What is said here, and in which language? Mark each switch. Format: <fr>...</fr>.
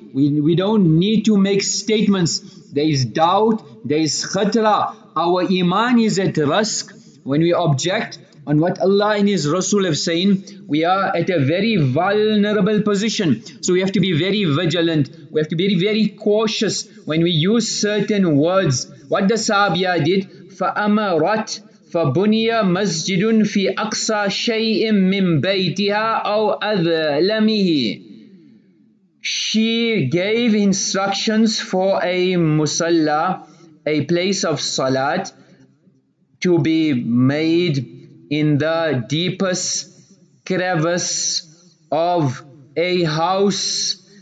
<en>We don't need to make statements. There is doubt, there is khatra. Our iman is at risk when we object on what Allah and His Rasul have said. We are at a very vulnerable position. So we have to be very vigilant. We have to be very, very cautious when we use certain words. What the sahabiyya did,</en> <ar>فَأَمَرَتْ فَبُنِيَ مَسْجِدٌ فِي أَقْصَى شَيْءٍ مِّن بَيْتِهَا أَوْ أَذْلَمِهِ.</ar> <en>She gave instructions for a musalla, a place of salat, to be made in the deepest crevice of a house.</en>